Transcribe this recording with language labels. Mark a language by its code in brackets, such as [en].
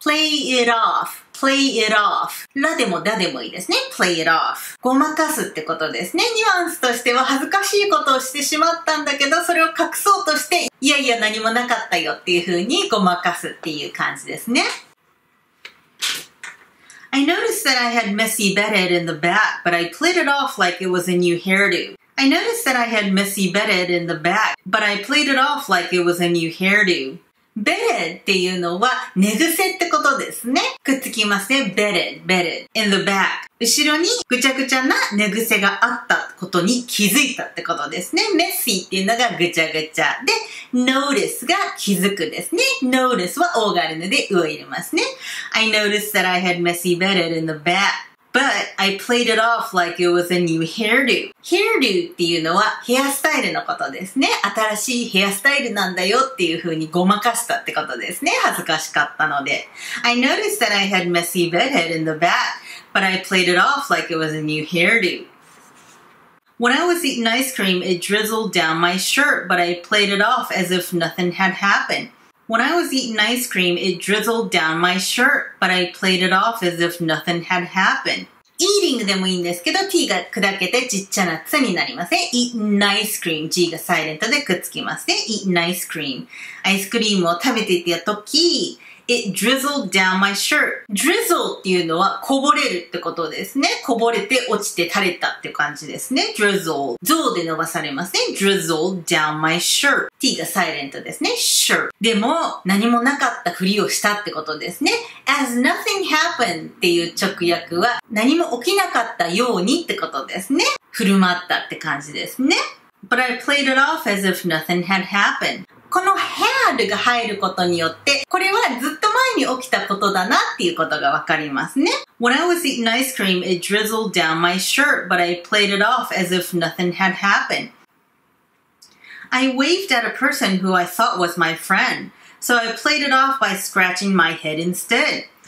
[en] play it off, play it off [ja] ラでもダでもいいですね。 [en] play it off [ja] ごまかすってことですね。ニュアンスとしては恥ずかしいことをしてしまったんだけど、それを隠そうとしていやいや何もなかったよっていう風にごまかすっていう感じですね。 [en] I noticed that I had messy bedhead in the back, but I played it off like it was a new hairdo. I noticed that I had messy bedhead in the back, but I played it off like it was a new hairdo. [ja] Bedhead っていうのは寝癖ってことですね。くっつきますね。 [en] bedhead, bedhead. In the back. [ja] 後ろにぐちゃぐちゃな寝癖があったことに気づいたってことですね。 messy っていうのがぐちゃぐちゃ。で、notice が気づくですね。 notice は O があるので U を入れますね。 [en] I noticed that I had messy bedhead in the back. But I played it off like it was a new hairdo. Hairdo [ja] っていうのはヘアスタイルのことですね。新しいヘアスタイルなんだよっていう風にごまかしたってことですね。恥ずかしかったので。 [en] I noticed that I had messy bedhead in the back, but I played it off like it was a new hairdo. When I was eating ice cream, it drizzled down my shirt, but I played it off as if nothing had happened. When I was eating ice cream, it drizzled down my shirt, but I played it off as if nothing had happened. [ja] Eating でもいいんですけど、T が砕けてちっちゃなつになりますね。 [en] Eating ice cream, [ja] G がサイレントでくっつきますね。Eating ice cream. アイスクリームを食べていた時、 [en] It drizzled down my shirt. [ja] Drizzle っていうのはこぼれるってことですね。こぼれて落ちて垂れたって感じですね。 [en] Drizzle. [ja] 象で伸ばされますね。 [en] Drizzled down my shirt. [ja] T がサイレントですね。 [en] Shirt. [ja] でも何もなかったふりをしたってことですね。 [en] As nothing happened [ja] っていう直訳は何も起きなかったようにってことですね。振る舞ったって感じですね。 [en] But I played it off as if nothing had happened. [ja] この had が入ることによって、これはずっと前に起きたことだなっていうことがわかりますね。 [en] When I was eating ice cream, it drizzled down my shirt, but I played it off as if nothing had happened. I waved at a person who I thought was my friend, so I played it off by scratching my head instead.